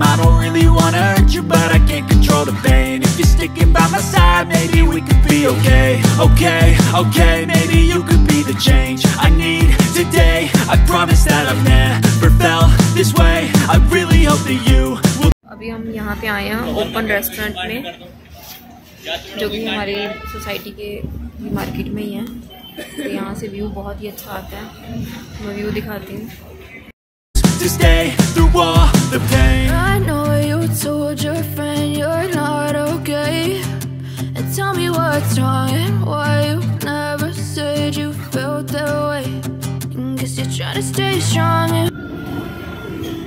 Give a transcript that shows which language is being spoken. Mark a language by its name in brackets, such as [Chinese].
[English] I don't really wanna hurt you, but I can't control the pain. If you're sticking by my side, maybe we could be okay. Okay, okay, maybe you could be the change I need today. I promise that I've never felt this way. I really hope that you will. [Hindi] अभी हम यहाँ पे आए हैं open restaurant में, जो कि हमारी सोसाइटी के मार्केट में ही है. यहाँ से व्यू बहुत ही अच्छा आता है, मैं व्यू दिखाती हूँ. [English] To stay through all the pain. I know you told your friend you're not okay, and tell me what's wrong and why you never said you felt that way. And guess you're trying to stay strong and